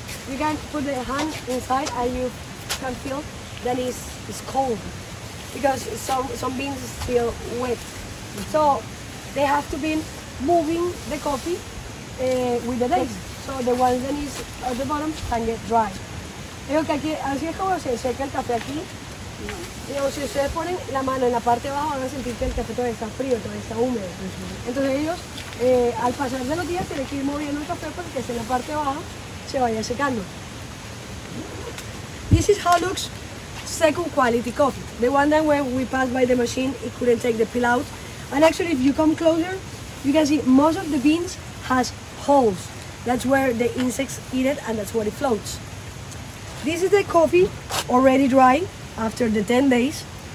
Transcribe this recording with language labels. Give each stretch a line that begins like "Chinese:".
English: You can put the hand inside and you can feel that it's cold because some beans are still wet. So they have to be moving the coffee with the days, so the ones that is at the bottom can get dry.
Spanish: Creo que aquí, así es como se seca el café aquí. Digo, si ustedes ponen la mano en la parte de abajo, van a sentir que el café todavía está frío, todavía está húmedo. Entonces ellos, al pasar de los días, tienen que ir moviendo el café para que en la parte de abajo se vaya secando.
English: This is how looks second quality coffee. The one that when we passed by the machine, it couldn't take the peel out. And actually, if you come closer, you can see most of the beans has holes. That's where the insects eat it, and that's where it floats. This is the coffee already dry after the 10 days.